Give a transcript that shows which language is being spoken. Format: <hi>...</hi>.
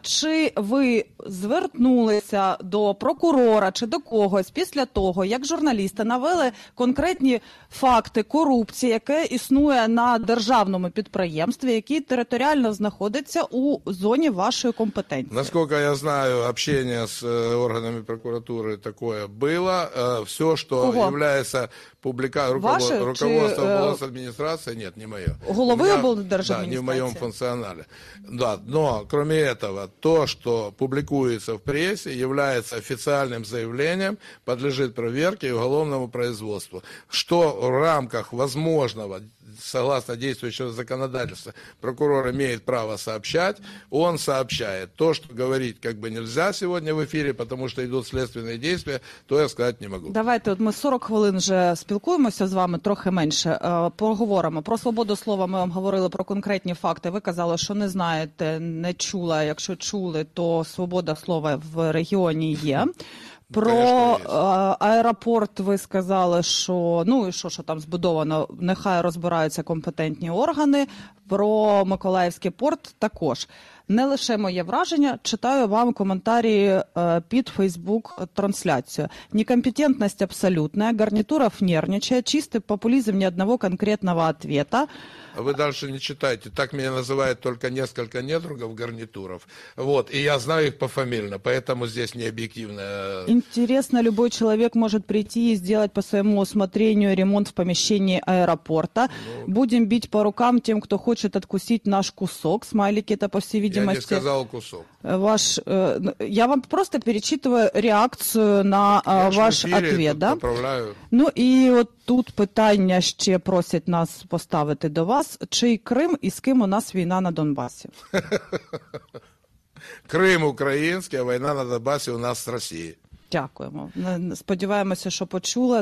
<uk>Чи ви звернулися до прокурора чи до когось після того, як журналісти навели конкретні факти корупції, яке існує на державному підприємстві, який територіально знаходиться у зоні вашої компетенції? Наскільки я знаю, общення з органами прокуратури таке було. Все, що являється руководство облдержадміністрації, ні, не моє. Головы облдержадміністрації?</uk> <ru>Да, не в моем функционале. Да, но, кроме этого, то, что публикуется в прессе, является официальным заявлением, подлежит проверке и уголовному производству. Что в рамках возможного, согласно действующего законодательства, прокурор имеет право сообщать, он сообщает. То, что говорить как бы нельзя сегодня в эфире, потому что идут следственные действия, то я сказать не могу.</ru> <uk>Давайте, от ми 40 хвилин вже спілкуємося з вами, трохи менше, поговоримо. Про свободу слова ми вам говорили, про конкретні факти. Ви казали, що не знаєте, не чула. Якщо чули, то свобода слова в регіоні є. Про аеропорт ви сказали, що ну і що, що там збудовано, нехай розбираються компетентні органи. Про Миколаївський порт також. Не лише моє враження, читаю вам коментарі під Фейсбук-трансляцію. Некомпетентність абсолютна, гарнітуров нервничає, чистий популізм ні одного конкретного ответа. Ви далі не читайте. Так мене називають тільки несколько недругів гарнітуров. Вот. І я знаю їх пофамільно,</uk> <ru>поэтому здесь не об'єктивно. Интересно, любой человек может прийти и сделать по своему усмотрению ремонт в помещении аэропорта. Ну, будем бить по рукам тем, кто хочет откусить наш кусок. Смайлики это, по всей видимости. Я не сказал кусок. Ваш, я вам просто перечитываю реакцию на ваш ответ. Да? Поправляю.</ru> <uk>Ну и вот тут питання ще просять нас поставити до вас. Чий Крим і з ким у нас війна на Донбасі? Крим український, а війна на Донбасі у нас з Росії. Дякуємо. Сподіваємося, що почула.</uk>